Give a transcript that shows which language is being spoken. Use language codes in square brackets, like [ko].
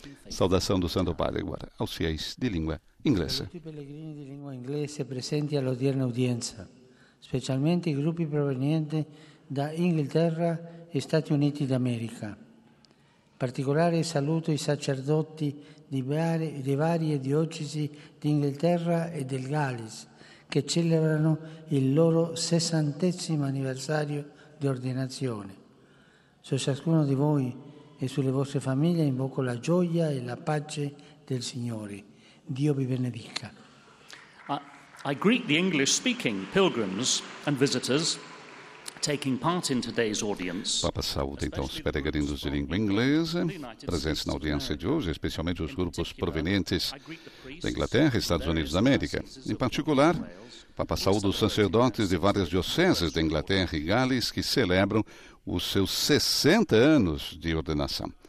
[pt] Saudação do Santo Padre agora aos fiéis de língua inglesa. [it] Saluti pellegrini di lingua inglese presenti all'odierna udienza, specialmente i gruppi provenienti da Inghilterra e Stati Uniti d'America. Particolare saluto i sacerdoti di varie diocesi di Inghilterra e del Galles che celebrano il loro 60° anniversario di ordinazione. Su ciascuno di voi e sulle vostre famiglie invoco la gioia e la pace del Signore. Dio vi benedica. [en] I greet the English-speaking pilgrims and visitors taking part in today's audience. [pt] Papa saúda então os peregrinos de língua inglesa presentes na audiência de hoje, especialmente os grupos provenientes da Inglaterra e Estados Unidos da América. Em particular, Papa saúda os sacerdotes de várias dioceses da Inglaterra e Gales que celebram os seus 60 anos de ordenação.